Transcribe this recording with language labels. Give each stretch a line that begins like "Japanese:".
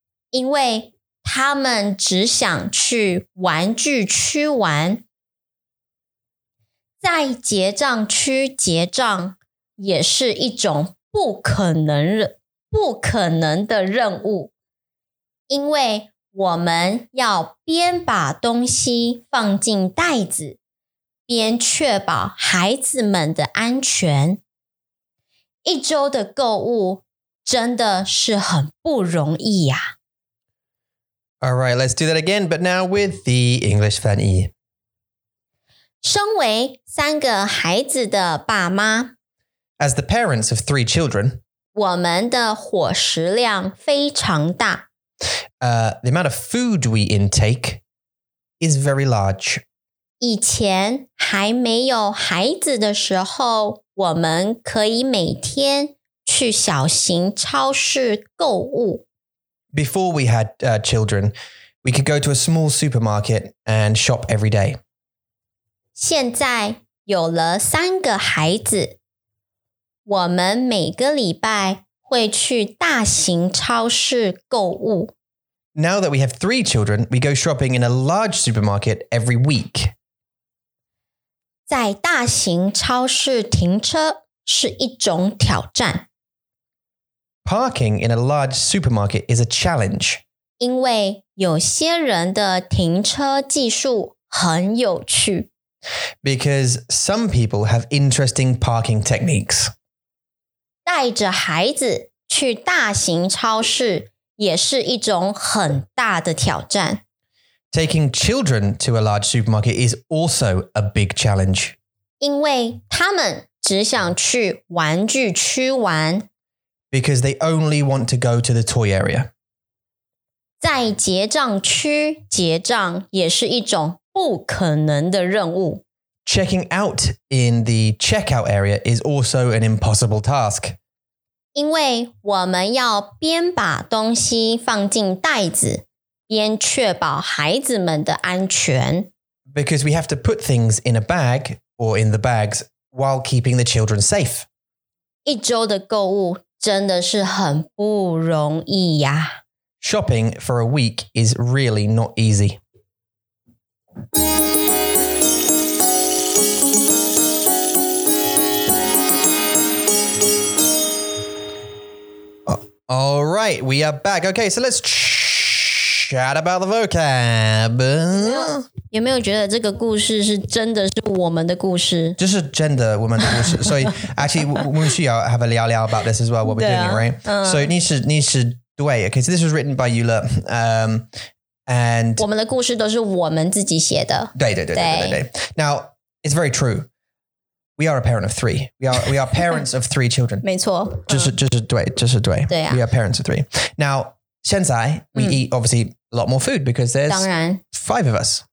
Chinese: 因为他们只想去玩具区玩，在结账区结账也是一种不可能的任务，因为我们要边把东西放进袋子，边确保孩子们的安全。一周的购物真的是很不容易呀。
English: All right, let's do that again, but now with the English 翻译。
Chinese: 身为三个孩子的爸妈。
English: As the parents of three children.
Chinese: 我们的伙食量非常大。
English: The amount of food we intake is very large.
Chinese: 以前还没有孩子的时候，我们可以每天去小型超市购物。
English: Before we had children, we could go to a small supermarket and shop every day.
Chinese: 现在有了三个孩子，我们每个礼拜会去大型超市购物。
English: Now that we have three children, we go shopping in a large supermarket every week.
Chinese: 在大型超市停车是一种挑战。
English: Parking in a large supermarket is a challenge.
Chinese: 因为有些人的停车技术很有趣。
English: Because some people have interesting parking techniques.
Chinese: 带着孩子去大型超市也是一种很大的挑战。
English: Taking children to a large supermarket is also a big challenge.
Chinese: 因为他们只想去玩具区玩。
English: Because they only want to go to the toy area.
Chinese: 在结账区结账也是一种不可能的任务。
English: Checking out in the checkout area is also an impossible task.
Chinese: 因为我们要边把东西放进袋子，边确保孩子们的安全。
English: Because we have to put things in a bag or in the bags while keeping the children safe.
Chinese: 一周的购物真的是很不容易呀。
English: Shopping for a week is really not easy. All right, we are back. Okay, so let's chat about the vocab.
Chinese: 有没有觉得这个故事是真的是我们的故事？就是真的我们的故事。
English: 所以 actually, we should have a 聊聊 about this as well, what we're doing, right? So
Chinese: 你是对,
English: okay, so this was written by Eula, and
Chinese: 我们的故事都是我们自己写的。对。
English: Now, it's very true. We are a parent of three. We are parents of three children.
Chinese: 没错。就是对。对啊。
English: We are parents of three. Now,
Chinese: 现在
English: we eat obviously a lot more food because there's five of us.